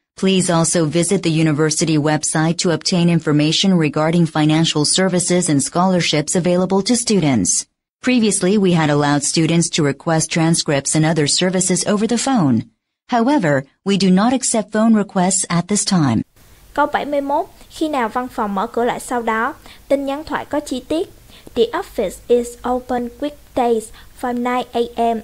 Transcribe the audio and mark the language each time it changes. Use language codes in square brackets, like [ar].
[en] Please also visit the university website to obtain information regarding financial services and scholarships available to students. Previously, we had allowed students to request transcripts and other services over the phone. However, we do not accept phone requests at this time. [vi] Câu 71. Khi nào văn phòng mở cửa lại sau đó? Tin nhắn thoại có chi tiết. [en] The office is open weekdays from 9 a.m.